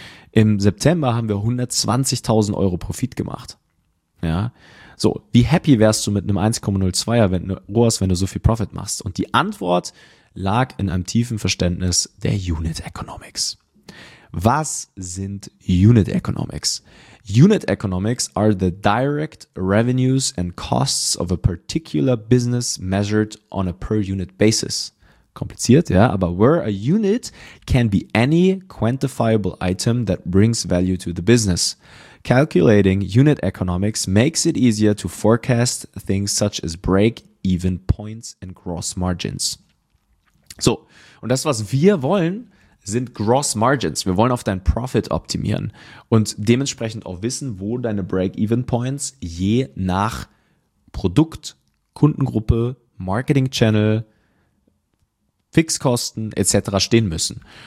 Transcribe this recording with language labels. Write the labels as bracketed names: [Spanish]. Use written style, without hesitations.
[German] Im September haben wir 120.000 Euro Profit gemacht. Ja, so, wie happy wärst du mit einem 1,02er ROAS, wenn du so viel Profit machst? Und die Antwort lag in einem tiefen Verständnis der Unit Economics. Was sind Unit Economics? [English] Unit Economics are the direct revenues and costs of a particular business measured on a per unit basis. [German] Kompliziert, ja, aber [English] where a unit can be any quantifiable item that brings value to the business. Calculating Unit Economics makes it easier to forecast things such as break-even points and gross margins. [German] So, und das, was wir wollen, sind Gross Margins. Wir wollen auf deinen Profit optimieren und dementsprechend auch wissen, wo deine Break-Even-Points je nach Produkt, Kundengruppe, Marketing-Channel, Fixkosten etc. stehen müssen.